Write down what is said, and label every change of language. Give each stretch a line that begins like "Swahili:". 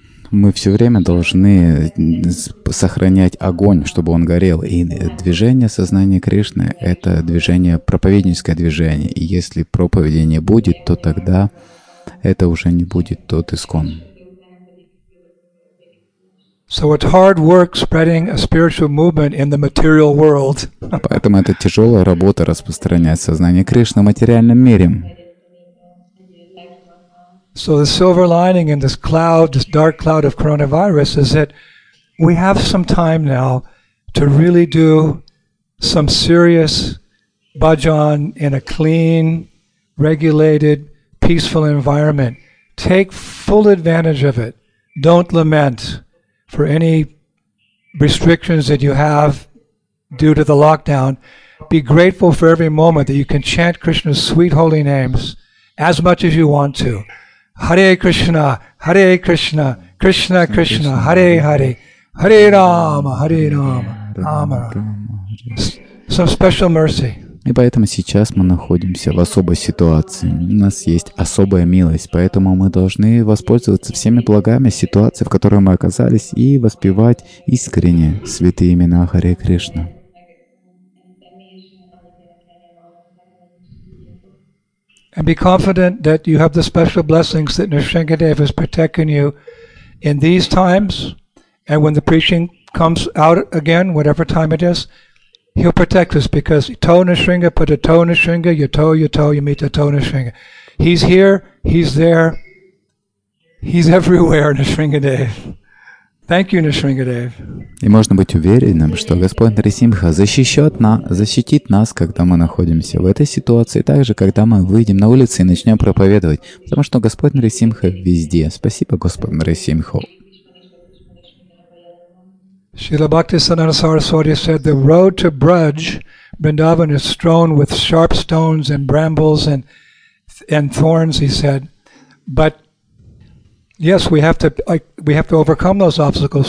Russian: Мы все время должны сохранять огонь, чтобы он горел. И движение сознания Кришны — это движение, проповедническое движение. И если проповеди не будет, то тогда это уже не будет тот ИСККОН.
English: So it's hard work spreading a spiritual movement in the material world.
Russian: Поэтому это тяжелая работа распространять сознание Кришны в материальном мире.
English: So the silver lining in this cloud, this dark cloud of coronavirus, is that we have some time now to really do some serious bhajan in a clean, regulated, peaceful environment. Take full advantage of it. Don't lament for any restrictions that you have due to the lockdown. Be grateful for every moment that you can chant Krishna's sweet holy names as much as you want to.
Sanskrit: Hare Krishna, Hare Krishna, Krishna Krishna, Krishna Hare Hare, Hare Rama, Hare Rama, Rama.
English: Some special mercy.
Russian: И поэтому сейчас мы находимся в особой ситуации. У нас есть особая милость, поэтому мы должны воспользоваться всеми благами ситуации, в которой мы оказались, и воспевать искренне святые имена Харе Кришна.
English: And be confident that you have the special blessings that Nrisimhadev is protecting you in these times, and when the preaching comes out again, whatever time it is, he'll protect us because
Sanskrit: Yato Nrisimha Padato Nrisimha Yato Yamitato Nrisimha.
English: He's here, he's there, he's everywhere, Nrisimhadev. Thank you, Nrisimhadev.
Russian: И можно быть уверенным, что Господь Нарисимха защитит нас, когда мы находимся в этой ситуации, так же, когда мы выйдем на улицу и начнем проповедовать, потому что Господь Нарисимха везде. Спасибо, Господь Нарисимха.
English: Srila Bhakti Sanatana Saraswati said, "The road to Braj, Vrindavan, is strewn with sharp stones and brambles and thorns." He said, "But yes, we have to overcome those obstacles."